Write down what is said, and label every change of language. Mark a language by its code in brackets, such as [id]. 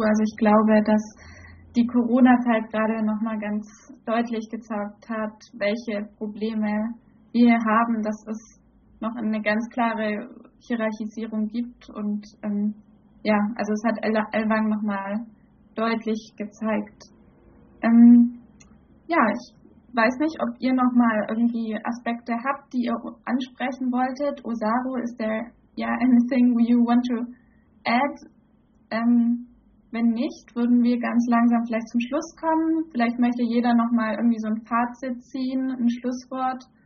[de] Also ich glaube, dass die Corona-Zeit gerade nochmal ganz deutlich gezeigt hat, welche Probleme wir hier haben, dass es noch eine ganz klare Hierarchisierung gibt. Und also es hat Ellwang nochmal deutlich gezeigt. Ich weiß nicht, ob ihr nochmal irgendwie Aspekte habt, die ihr ansprechen wolltet. [en] Osaro, is there anything you want to add? [de] Wenn nicht, würden wir ganz langsam vielleicht zum Schluss kommen. Vielleicht möchte jeder noch mal irgendwie so ein Fazit ziehen, ein Schlusswort.